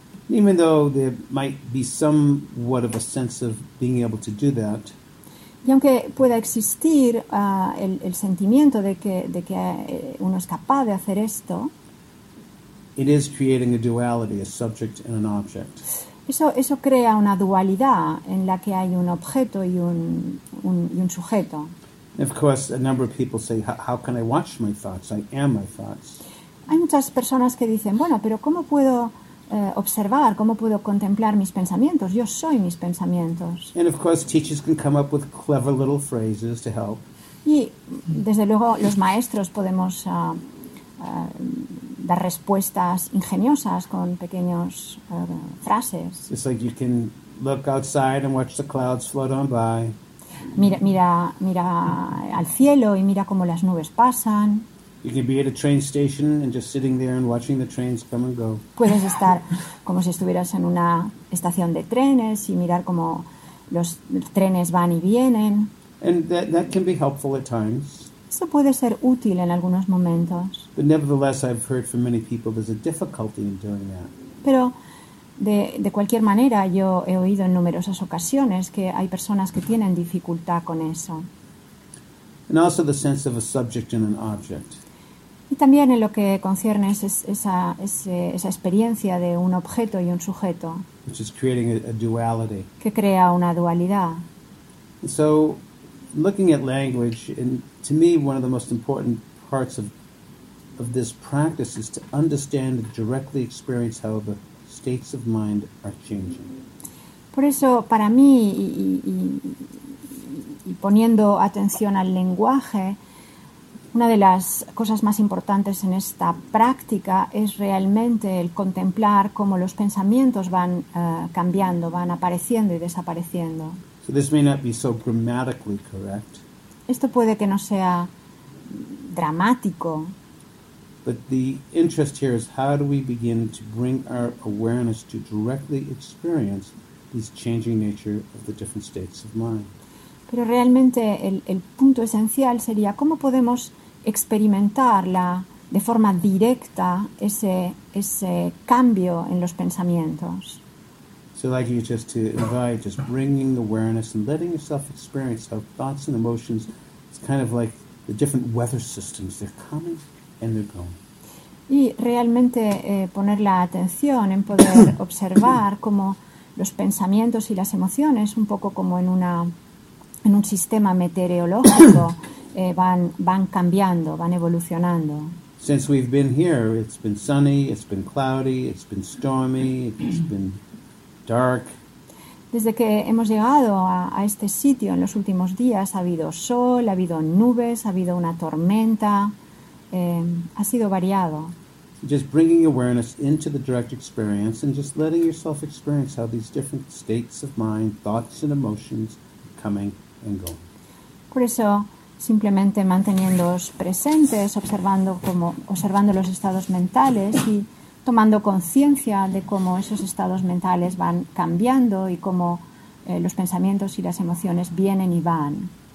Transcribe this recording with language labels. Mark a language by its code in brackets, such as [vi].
[en] Even though there might be somewhat of a sense of being able to do that. [es] Y aunque pueda existir el sentimiento de que uno es capaz de hacer esto. [en] It is creating a duality, a subject and an object. [es] Eso crea una dualidad en la que hay un objeto y un sujeto. [en] Of course, a number of people say, how can I watch my thoughts? I am my thoughts. [es] Hay muchas personas que dicen, bueno, pero ¿cómo puedo observar? ¿Cómo puedo contemplar mis pensamientos? Yo soy mis pensamientos. [en] And of course, teachers can come up with clever little phrases to help. [es] Y desde luego, los maestros podemos dar respuestas ingeniosas con pequeños frases. [en] It's like you can look outside and watch the clouds float on by. [es] Mira al cielo y mira cómo las nubes pasan. [en] You can be at a train station and just sitting there and watching the trains come and go. [es] Puedes estar como si estuvieras en una estación de trenes y mirar cómo los trenes van y vienen. [en] And that can be helpful at times. [es] Eso puede ser útil en algunos momentos. [en] But nevertheless, I've heard from many people there's a difficulty in doing that. [es] Pero de cualquier manera, yo he oído en numerosas ocasiones que hay personas que tienen dificultad con eso. [en] And also the sense of a subject and an object. [es] Y también en lo que concierne esa experiencia de un objeto y un sujeto. [en] Which is creating a duality. [es] Que crea una dualidad. [en] And so, looking at language, and to me, one of the most important parts of this practice is to understand and directly experience how the states of mind are changing. [es] Por eso, para mí, y poniendo atención al lenguaje, una de las cosas más importantes en esta práctica es realmente el contemplar cómo los pensamientos van cambiando, van apareciendo y desapareciendo. [en] So this may not be so grammatically correct. [es] Esto puede que no sea dramático. [en] But the interest here is how do we begin to bring our awareness to directly experience these changing nature of the different states of mind. [es] Pero realmente el punto esencial sería cómo podemos experimentarla de forma directa ese cambio en los pensamientos. [en] So like you just to invite, just bringing awareness and letting yourself experience how thoughts and emotions, it's kind of like the different weather systems, they're coming and they're going. [es] Y realmente poner la atención en poder observar cómo los pensamientos y las emociones, un poco como en un sistema meteorológico, van cambiando, van evolucionando. [en] Since we've been here, it's been sunny, it's been cloudy, it's been stormy, it's been dark. [es] Desde que hemos llegado a este sitio en los últimos días, ha habido sol, ha habido nubes, ha habido una tormenta, ha sido variado. [en] Just bringing awareness into the direct experience and just letting yourself experience how these different states of mind, thoughts and emotions are coming and going. [es] Por eso, simplemente manteniéndoos presentes, observando los estados mentales y tomando conciencia de cómo esos estados mentales van cambiando y cómo los pensamientos y las emociones vienen y van.